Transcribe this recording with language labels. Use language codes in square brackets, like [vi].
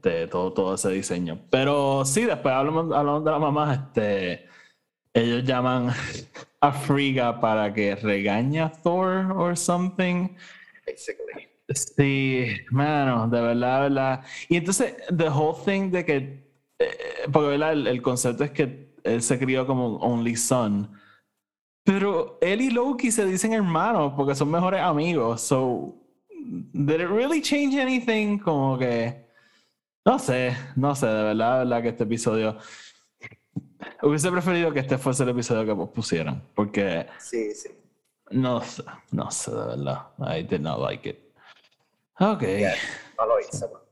[es] Todo ese diseño. Pero sí, después hablando de la mamá, ellos llaman a Frigga para que regañe a Thor [en] or something. Basically. [es] Sí, mano, de verdad, Y entonces, [en] the whole thing [es] de que, porque ¿verdad? El concepto es que él se crió como [en] only son. [es] Pero él y Loki se dicen hermanos porque son mejores amigos. [en] So, did it really change anything? [es] Como que, no sé, de verdad que este episodio... Hubiese preferido que este fuese el episodio que pusieran, porque... Sí. No sé, de verdad. [en] I did not like it. Okay. [es] Yes, no lo hice.